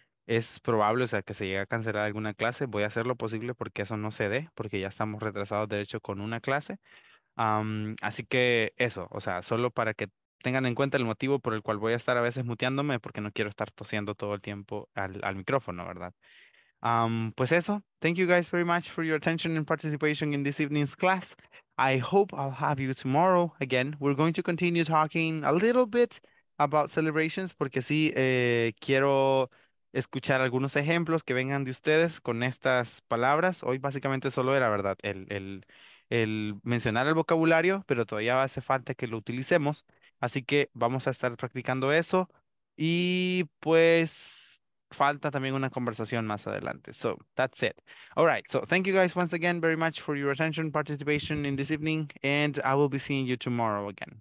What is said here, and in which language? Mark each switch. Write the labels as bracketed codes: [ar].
[es] Es probable, o sea, que se llegue a cancelar alguna clase. Voy a hacer lo posible porque eso no se dé. Porque ya estamos retrasados, de hecho, con una clase. Así que eso, o sea, solo para que tengan en cuenta el motivo por el cual voy a estar a veces muteándome. Porque no quiero estar tosiendo todo el tiempo al micrófono, ¿verdad? Pues eso, [en] thank you guys very much for your attention and participation in this evening's class. I hope I'll have you tomorrow again. We're going to continue talking a little bit about celebrations [es] porque sí, quiero escuchar algunos ejemplos que vengan de ustedes con estas palabras. Hoy básicamente solo era, ¿verdad? El mencionar el vocabulario, pero todavía hace falta que lo utilicemos. Así que vamos a estar practicando eso y pues falta también una conversación más adelante. [en] So, that's it. All right. So, thank you guys once again very much for your attention, participation in this evening. And I will be seeing you tomorrow again.